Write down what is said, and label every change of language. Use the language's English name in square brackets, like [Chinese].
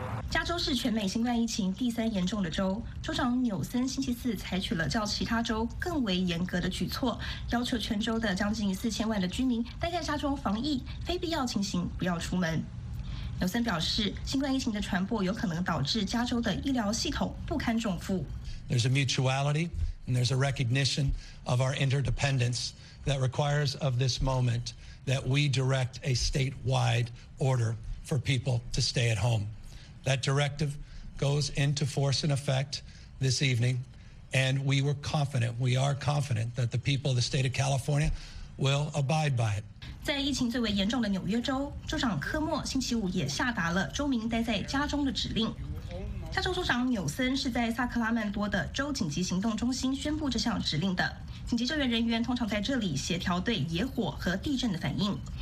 [Chinese] 加州是全美新冠疫情第三严重的州，州长纽森星期四采取了较其他州更为严格的举措，要求全州的将近4000万的居民待在家中防疫，非必要情形不要出门。纽森表示，新冠疫情的传播有可能导致加州的医疗系统不堪重负。 [English] There's a mutuality and there's a recognition of our interdependence that requires of this moment that we direct a statewide order for people to stay at home. That directive goes into force and effect this evening, and we are confident that the people of the state of California will abide by it. [Chinese] 在疫情最为严重的纽约州，州长科莫星期五也下达了州民待在家中的指令。加州州长纽森是在萨克拉曼多的州紧急行动中心宣布这项指令的。紧急救援人员通常在这里协调对野火和地震的反应。